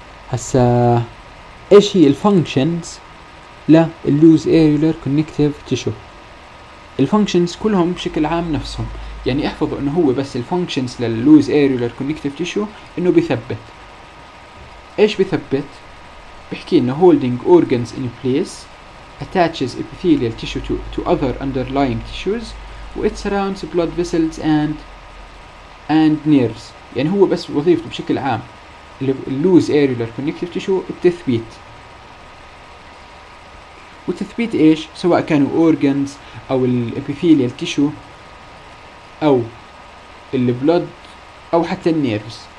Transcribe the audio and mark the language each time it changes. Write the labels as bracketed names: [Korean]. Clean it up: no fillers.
[Arabic] هسه ايش هي الفانكشنز لللوز ايريولر كونكتيف تيشو؟ الفانكشنز كلهم بشكل عام نفسهم، يعني احفظوا انه هو بس الفانكشنز لللوز ايريولر كونكتيف تيشو انه بيثبت. ايش بيثبت؟ بحكي انه [English] holding organs in place attaches epithelial tissue to other underlying tissues it surrounds blood vessels and nerves. [Arabic] يعني هو بس وظيفته بشكل عام اللوز ايريولر كونكتيف تيشو التثبيت. والتثبيت ايش؟ سواء كانوا organs او الابيثيليال تيشو او البلود او حتى النيرفز.